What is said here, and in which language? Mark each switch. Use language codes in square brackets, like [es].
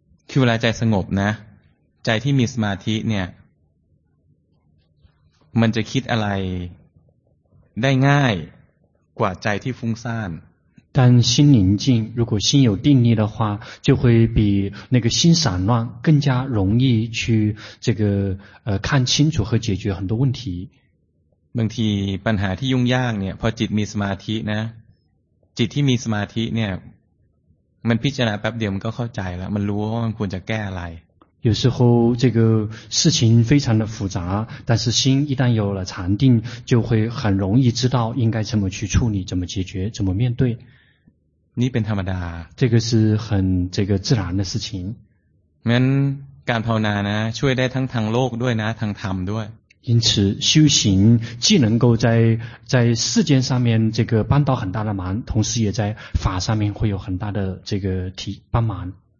[th] คือเวลาใจสงบนะใจที่มีสมาธิเนี่ยมันจะคิดอะไรได้ง่ายกว่าใจที่ฟุ้งซ่าน แต่ [zh] 心宁静如果心有定力的话就会比那个心散乱更加容易去这个看清楚和解决很多问题 [th] บางทีปัญหาที่ยุ่งยากเนี่ยพอจิตมีสมาธินะจิตที่มีสมาธิเนี่ยมันพิจารณาแป๊บเดียวมันก็เข้าใจแล้วมันรู้ว่ามันควรจะแก้อะไร [zh] 有时候这个事情非常的复杂但是心一旦有了禅定就会很容易知道应该怎么去处理怎么解决怎么面对 [th] นี่เป็นธรรมดา [zh] 这个是很这个自然的事情 [th] งั้นการภาวนานะช่วยได้ทั้งทางโลกด้วยนะทางธรรมด้วย [zh] 因此修行既能够在世间上面这个帮到很大的忙同时也在法上面会有很大的这个提帮忙